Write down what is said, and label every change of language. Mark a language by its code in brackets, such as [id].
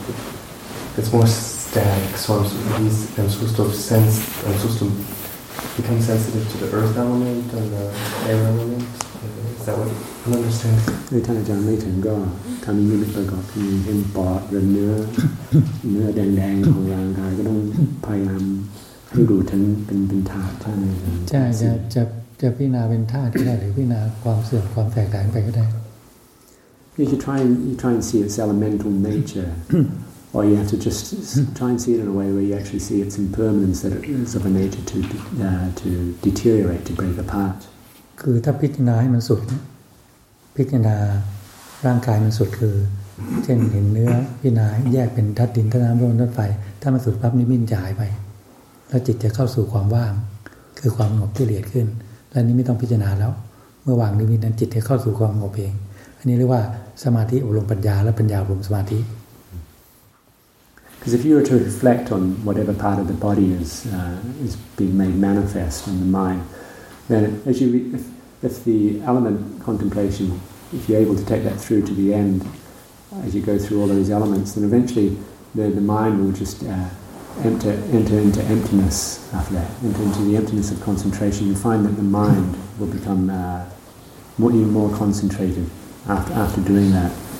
[en] But it's more static, so I'm supposed to become sensitive to the earth element and the air element. Is that what you understand? The time John Layton got, time he really forgot to use him, but the nerve and the angle and I don't pay him to do it and been taught. Yeah, yeah, yeah. [th] จะพิจารณาเป็นธาตุก็ได้หรือพิจารณาความเสื่อมความแตกต่างไปก็ได้ [en] you try and see its elemental nature or you have to just try and see it in a way where you actually see its impermanence that it is of a nature to deteriorate to break apart [th] คือถ้าพิจารณาให้มันสุดพิจารณาร่างกายมันสุดคือเช่นเห็นเนื้อพิจารณาแยกเป็นธาตุดินธาตุน้ำลมธาตุไฟถ้ามันสุดปั๊บนี่มันจะหายไปแล้วจิตจะเข้าสู่ความว่างคือความสงบที่ละเอียดขึ้นและนี้ไม่ต้องพิจารณาแล้วเมื่อวางนิมิตนั้นจิตจะเข้าสู่ความสงบเองอันนี้เรียกว่าสมาธิอบรมปัญญาและปัญญาอบรมสมาธิ [en] Because if you were to reflect on whatever part of the body is being made manifest in the mind, then if the element contemplation, if you're able to take that through to the end, as you go through all those elements, then eventually the mind will just enter into emptiness after that, enter into the emptiness of concentration, you find that the mind will become even more concentrated after doing that.